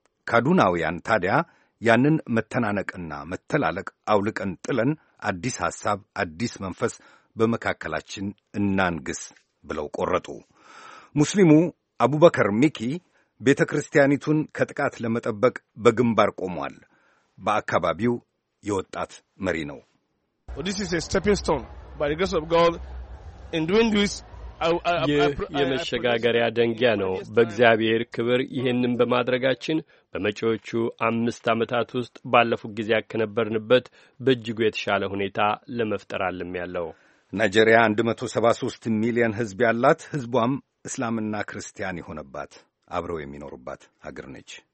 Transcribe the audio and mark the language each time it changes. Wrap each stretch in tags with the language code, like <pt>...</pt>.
<am>ካዱናውያን ታዲያ ያንን መተናነቅና መተላለቅ አውልቀን ጥለን አዲስ ሐሳብ፣ አዲስ መንፈስ በመካከላችን እናንግስ ብለው ቆረጡ። ሙስሊሙ አቡበከር ሚኪ ቤተ ክርስቲያኒቱን ከጥቃት ለመጠበቅ በግንባር ቆሟል። በአካባቢው የወጣት መሪ ነው።</am> <en>This is a stepping stone by the grace of God in doing this.</en> <am>ይህ የመሸጋገሪያ ደንጊያ ነው። በእግዚአብሔር ክብር ይህንን በማድረጋችን በመጪዎቹ 5 ዓመታት ውስጥ ባለፉት ጊዜ ያከነበርንበት በእጅጉ የተሻለ ሁኔታ ለመፍጠር አለም ያለው። ናይጄሪያ 173 ሚሊዮን ሕዝብ ያላት፣ ሕዝቧም እስላምና ክርስቲያን የሆነባት አብረው የሚኖሩባት አገር ነች።</am>